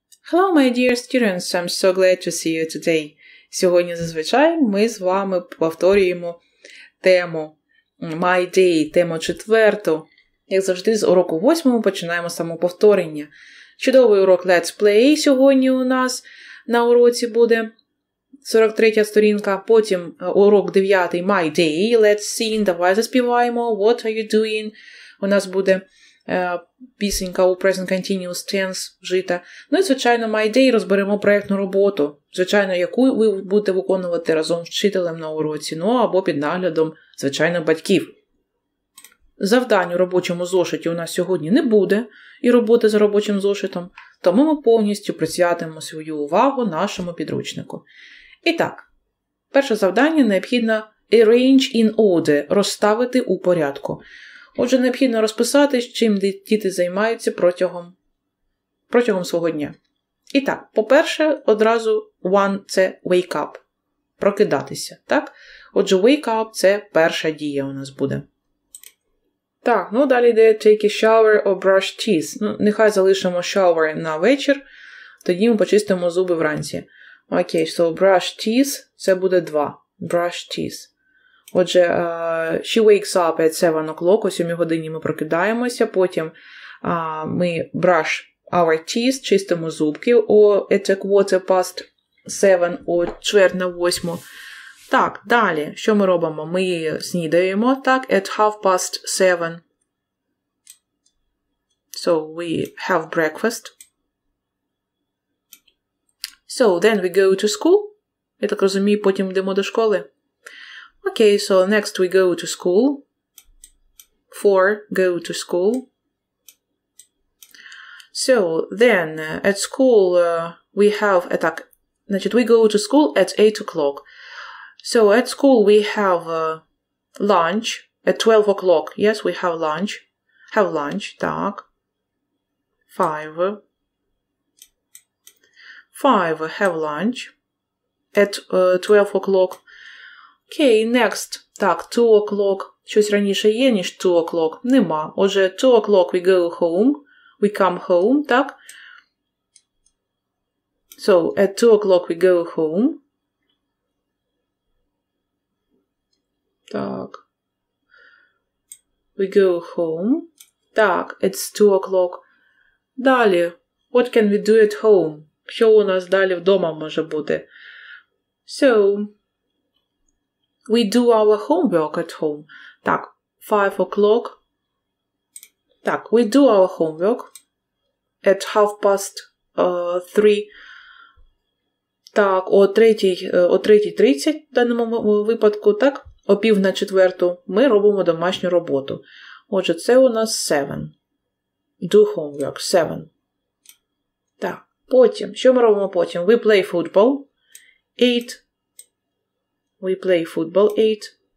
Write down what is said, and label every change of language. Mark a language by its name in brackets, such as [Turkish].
[English] Hello, my dear students, I'm so glad to see you today. [Ukrainian] Сьогодні, зазвичай, ми з вами повторюємо тему My Day, тему четверту. Як завжди, з уроку восьмого починаємо самоповторення. Чудовий урок Let's Play сьогодні у нас на уроці буде. 43-я сторінка, потім урок 9-й My Day, Let's Sing, давай заспіваємо, What Are You Doing? У нас буде пісенька у Present Continuous Tense вжита. Ну і, звичайно, My Day розберемо проєктну роботу, звичайно, яку ви будете виконувати разом з вчителем на уроці, ну або під наглядом, звичайно, батьків. Завдань у робочому зошиті у нас сьогодні не буде, і роботи за робочим зошитом, тому ми повністю присвятимо свою увагу нашому підручнику. І так, перше завдання необхідно [English] arrange in order, [Ukrainian] розставити у порядку. Отже, необхідно розписати, чим діти займаються протягом свого дня. І так, по-перше, одразу one – це [English] wake up, [Ukrainian] прокидатися, так? Отже, [English] wake up [Ukrainian] – це перша дія у нас буде. Так, ну далі йде [English] take a shower or brush teeth. [Ukrainian] Ну, нехай залишимо shower на вечір, тоді ми почистимо зуби вранці. Окей, [English] so brush teeth, [Ukrainian] це буде два. [English] Brush teeth. [Ukrainian] Отже, [English] she wakes up at 7 o'clock, [Ukrainian] о 7 годині ми прокидаємося, потім ми [English] brush our teeth, [Ukrainian] чистимо зубки, о, [English] at a quarter past 7, [Ukrainian] о, чверть на 8. Так, далі, що ми робимо? Ми снідаємо, так, [English] at half past 7. So, we have breakfast. So, then we go to school. [Ukrainian] Я так розумію, потім йдемо до школи. [English] Okay, so next we go to school. Four, go to school. So, then at school we have... [Ukrainian] Так, значить, [English] we go to school at 8 o'clock. So, at school we have lunch at 12 o'clock. Yes, we have lunch. Have lunch, так. Five. Five, have lunch at 12 o'clock. Okay, next. Так, 2 o'clock. [Ukrainian] Щось раніше є, ніж [English] 2 o'clock? [Ukrainian] Нема. [English] Отже, 2 o'clock we go home. We come home, так? So, at 2 o'clock we go home. Так. We go home. Так, it's 2 o'clock. [Ukrainian] Далі. [English] What can we do at home? [Ukrainian] Що у нас далі вдома може бути? [English] So... We do our homework at home. Так, 5 o'clock. Так, we do our homework at half past 3. [Ukrainian] Так, о 3:30 в даному випадку, так? О пів на четверту ми робимо домашню роботу. Отже, це у нас 7. [English] Do homework, [Ukrainian] 7. Так, потім. Що ми робимо потім? [English] We play football. 8. We play football 8.